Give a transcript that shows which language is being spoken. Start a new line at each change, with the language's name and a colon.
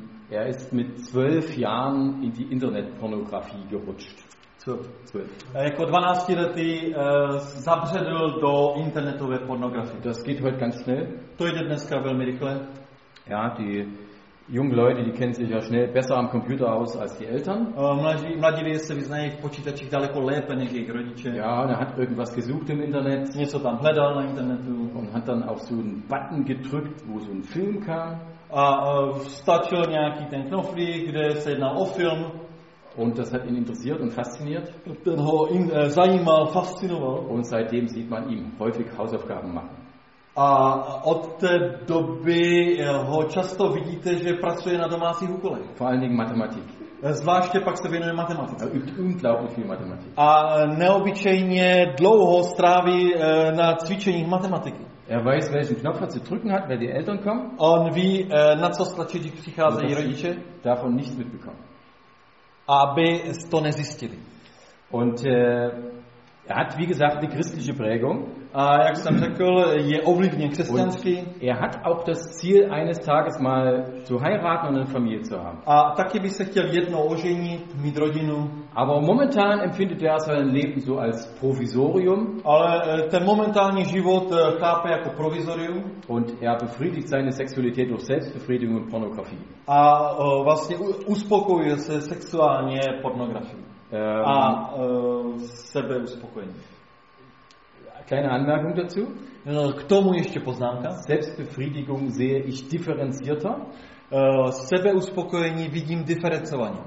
German: Er ist mit 12 Jahren in die Internetpornografie gerutscht.
Czech: Jako 12 lety zabředl do internetové pornografie.
German: Das geht heute ganz schnell.
Czech: To jde dneska velmi rychle.
German: Ja, die jungen Leute, die kennen sich ja schnell besser am Computer aus als die Eltern.
Czech: Mladí lidé se vyznají v počítačích daleko lépe než jejich rodiče.
German: Ja, er hat irgendwas gesucht im Internet.
Czech: Něco tam hledal na internetu.
German: Und hat dann auf so einen Button gedrückt, wo so ein Film kam.
Czech: A stačil nějaký ten knoflík, kde se jednal o film.
German: Und das hat ihn interessiert und fasziniert. Dann hat ihn
Czech: zajímal,
German: fasciniert. Und seitdem sieht man ihm häufig Hausaufgaben machen.
Czech: A od té doby ho často vidíte, že pracuje na domácích úkolech.
German: Vor allen Dingen Mathematik.
Czech: Zvláště pak se věnuje matematice.
German: Er übt unglaublich viel Mathematik.
Czech: A neobyčejně dlouho stráví na cvičeních matematiky.
German: Er weiß, welchen Knopf er zu drücken hat, wenn die Eltern kommen.
Czech: On ví, na co stlačit, když přicházejí rodiče.
German: Davon nichts mitbekommen.
Czech: Aby to nezjistili.
German: Und er hat, wie gesagt, eine christliche Prägung.
Czech: A jak jsem řekl, je ovlivněn křesťanský.
German: Er hat auch das Ziel eines Tages mal zu heiraten und eine Familie zu haben.
Czech: A taky by se chtěl jednou oženit, mít rodinu.
German: Aber momentan empfindet er sein Leben so als provisorium.
Czech: Ale ten momentální život chápe jako provisorium.
German: Und er befriedigt seine Sexualität durch Selbstbefriedigung und Pornografie.
Czech: A vlastně uspokojuje se sexuálně pornografií. A sebe uspokojení.
German: Kleine Anmerkung dazu.
Czech: K tomu ještě poznámka.
German: Selbstbefriedigung sehe ich differenzierter.
Czech: Sebeuspokojení vidím diferencovaně.